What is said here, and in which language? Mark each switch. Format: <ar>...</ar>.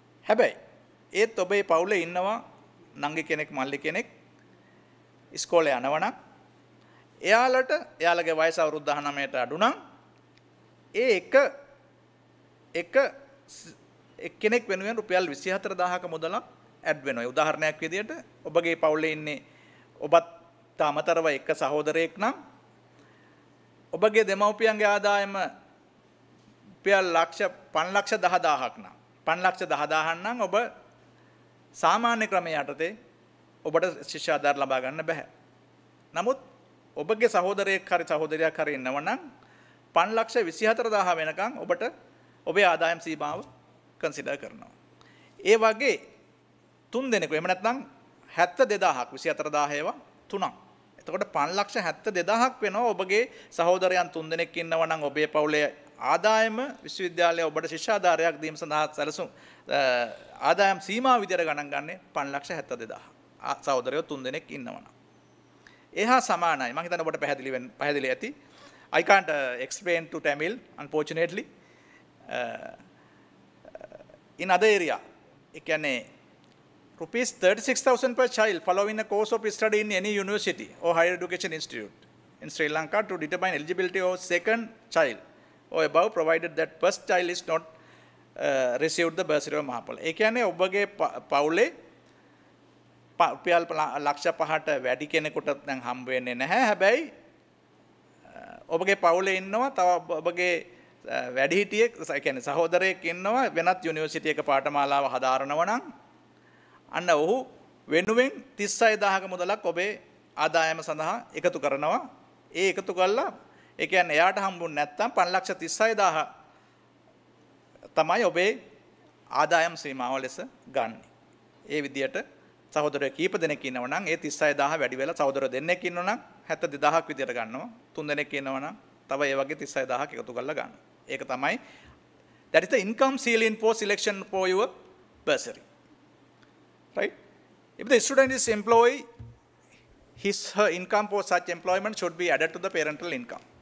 <si>habai ඒත් ඔබේ පවුලේ ඉන්නවා නංගි කෙනෙක් මල්ලි කෙනෙක් ඉස්කෝලේ යනවනම් එයාලට එයාලගේ වයස අවුරුදු 19ට අඩු නම් ඒ එක කෙනෙක් වෙනුවෙන් රුපියල් 24000ක මුදලක් ඇඩ් වෙනවා. උදාහරණයක් විදියට ඔබගේ පවුලේ ඉන්නේ ඔබත් තාමතරව එක සහෝදරයෙක් නම් ඔබගේ දෙමව්පියන්ගේ ආදායම රුපියල් ලක්ෂ 5 ලක්ෂ 10000ක් නම් 5 ලක්ෂ 10000ක් නම් ඔබ සාමාන්‍ය ක්‍රමයේ යටතේ ඔබට ශිෂ්‍ය ආධාර ලබා ගන්න බෑ. නමුත් ඔබගේ සහෝදරයෙක් හරි සහෝදරියක් හරි ඉන්නව නම් 5,24,000 වෙනකන් ඔබට ඔබේ ආදායම් සීමාව කන්සිඩර් කරනවා. ඒ වගේ 3 දෙනෙකු එහෙම නැත්නම් 72,000ක් 24,000 ඒවා 3ක්. එතකොට 5,72,000ක් වෙනවා ඔබගේ සහෝදරයන් 3 දෙනෙක් ඉන්නව නම් ඔබේ පවුලේ ආදායම විශ්වවිද්‍යාලයේ ඔබට ශිෂ්‍ය ආධාරයක් දීම සඳහා සැලසුම් ආදායම් සීමා විදියට ගණන් ගන්නේ 5,72,000. සහෝදරයෝ 3 දෙනෙක් ඉන්නවනම්. එහා සමානයි. මම හිතන්නේ ඔබට පැහැදිලි වෙන පැහැදිලි ඇති.</si> <en>I can't explain to Tamil unfortunately. In other area,</en> <si>ඒ කියන්නේ</si> <en>rupees 36,000 per child following a course of study in any university or higher education institute in Sri Lanka to determine eligibility of second child or above provided that first child is not received the bursary of Mahapal.</en> <si>Ekane obage paule rupiyal laksha 5ට වැඩි කෙනෙකුට දැන් හම්බ වෙන්නේ නැහැ. හැබැයි ඔබගේ පවුලේ ඉන්නවා තව ඔබගේ වැඩිහිටියෙක් ඒ කියන්නේ සහෝදරයෙක් ඉන්නවා වෙනත් යුනිවර්සිටි එක පාඨමාලාව හදාරනව නම් අන්න ඔහු වෙනුවෙන් 36,000ක මුදලක් ඔබේ ආදායම සඳහා එකතු කරනවා. ඒ එකතු කළා ඒ කියන්නේ එයාට හම්බුනේ නැත්තම් 5,36,000 තමයි ඔබේ ආදායම් සීමාව ලෙස ගන්න. ඒ විදියට සහෝදරය කීප දෙනෙක් ඉන්නව නම් ඒ 36,000 වැඩි වෙලා සහෝදර දෙන්නෙක් ඉන්නව නම් 72,000ක් විදියට ගන්නවා. 3 දෙනෙක් ඉන්නව නම් තව ඒ වගේ 36,000ක් එකතු කරලා ගන්න. ඒක තමයි</si> <en>that is the income ceiling for selection for your bursary. Right? If the student is employee, his her income for such employment should be added to the parental income.</en>